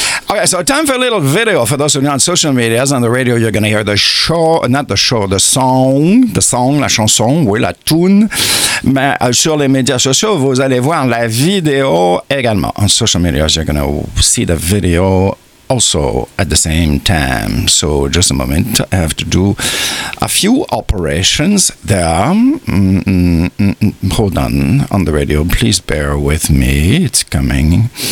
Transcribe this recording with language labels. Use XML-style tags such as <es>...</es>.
<en>Okay, so time for a little video for those who are not on social media. As on the radio, you're going to hear the song,</en> <fr>la chanson, oui, la tune. Mais sur les médias sociaux, vous allez voir la vidéo également.</fr> <en>On social media, you're going to see the video also at the same time. So just a moment, I have to do a few operations there. Hold on the radio, please bear with me, it's coming.</en>